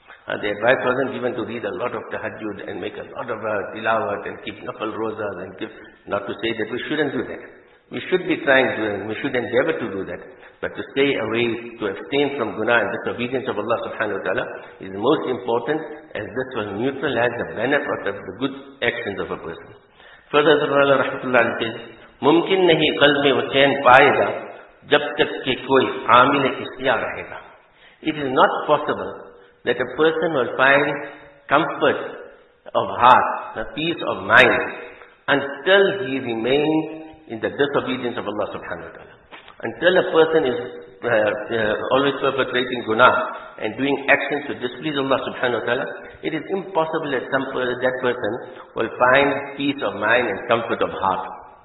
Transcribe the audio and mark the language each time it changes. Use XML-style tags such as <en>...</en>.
<en>And the advice wasn't given to read a lot of tahajjud and make a lot of tilawat and keep nafal rozas and give, not to say that we shouldn't do that. We should be trying to, and we should endeavor to do that. But to stay away, to abstain from guna and disobedience of Allah subhanahu wa ta'ala is most important, as this will neutralize the benefit of the good actions of a person. Further, Allah rahmatullahi says,</en> <ur>ممکن نہیں قلب میں وہ چین پائے گا جب تک کہ کوئی عامل اختیار رہے گا.</ur> <en>It is not possible that a person will find comfort of heart, the peace of mind, until he remains in the disobedience of Allah subhanahu wa ta'ala. Until a person is always perpetrating guna and doing actions to displease Allah subhanahu wa ta'ala, it is impossible that that person will find peace of mind and comfort of heart.</en>